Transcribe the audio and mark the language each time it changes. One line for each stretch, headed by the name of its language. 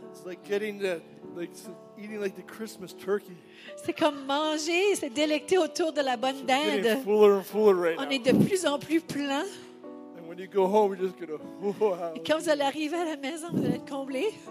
English: It's like getting the eating like the Christmas turkey.
French: C'est comme manger, c'est délecter autour de la bonne dinde.
English: We're getting fuller and fuller right
French: On
English: now.
French: Est de plus en plus plein.
English: And when you go home, you're just gonna wow.
French: Et quand vous allez arriver à la maison, vous allez être comblé.